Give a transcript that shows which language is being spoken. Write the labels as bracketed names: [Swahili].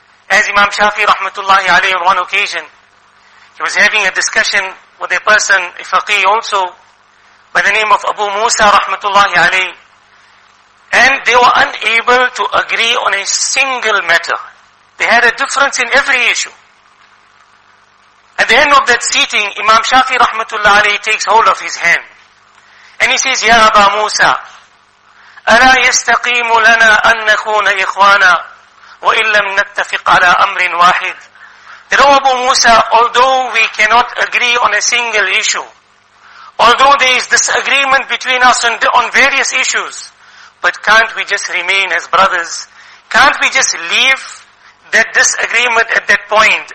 [English] As Imam Shafi rahmatullahi alayhi, on one occasion, he was having a discussion with a person, a faqih also, by the name of Abu Musa rahmatullahi alayhi. And they were unable to agree on a single matter. They had a difference in every issue. At the end of that seating, Imam Shafi rahmatullah alayhi takes hold of his hand. [Arabic] And he says, Ya Aba Musa, أَلَا يَسْتَقِيمُ لَنَا أَن نَكُونَ إِخْوَانًا وَإِن لَمْ نَتَّفِقْ عَلَىٰ أَمْرٍ وَاحِدٍ. [English] That, O Abu Musa, although we cannot agree on a single issue, although there is disagreement between us on various issues, but can't we just remain as brothers? Can't we just leave that disagreement at that point?